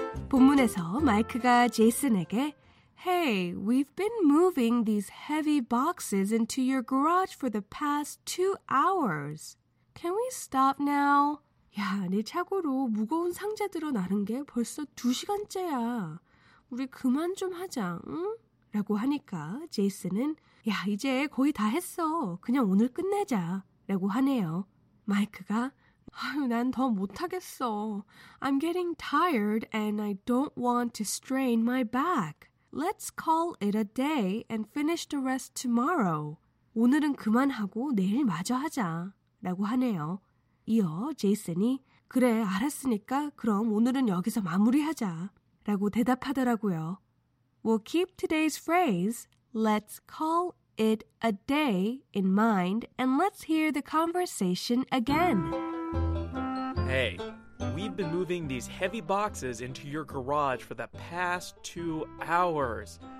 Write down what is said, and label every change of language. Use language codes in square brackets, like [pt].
[ko] 본문에서 마이크가 제이슨에게 [en] Hey, we've been moving these heavy boxes into your garage for the past 2 hours. Can we stop now? [ko] 야, 내 차고로 무거운 상자 들어 나른 게 벌써 2시간째야. 우리 그만 좀 하자, 응? 라고 하니까 제이슨은 야, 이제 거의 다 했어. 그냥 오늘 끝내자. 라고 하네요. 마이크가 아유, 난 더 못하겠어. [en] I'm getting tired and I don't want to strain my back. Let's call it a day and finish the rest tomorrow. [ko] 오늘은 그만하고 내일 마저 하자. 라고 하네요. 이어 제이슨이 그래, 알았으니까 그럼 오늘은 여기서 마무리하자. 라고 대답하더라고요. [en] We'll keep today's phrase, let's call it a day in mind and let's hear the conversation again. Hey, we've been moving these heavy boxes into your garage for the past 2 hours.